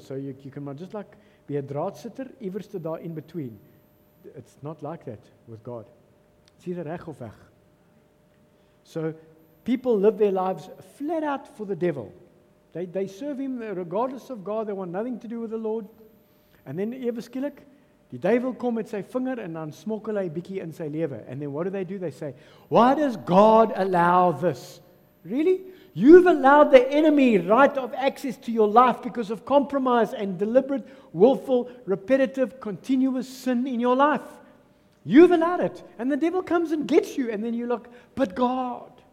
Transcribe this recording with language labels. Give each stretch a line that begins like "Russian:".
English: So you can just like be a draadsitter, iverste daar in between. It's not like that with God. It's either
Afrikaans: reg of weg.
English: So people live their lives flat out for the devil. They serve him regardless of God. They want nothing to do with the Lord. And then
Afrikaans: ewe skielik, die duivel kom met sy vinger en dan smokkel hy bietjie in sy lewe.
English: And then what do? They say, "Why does God allow this?" Really? You've allowed the enemy right of access to your life because of compromise and deliberate, willful, repetitive, continuous sin in your life. You've allowed it. And the devil comes and gets you. And then you look, "But God."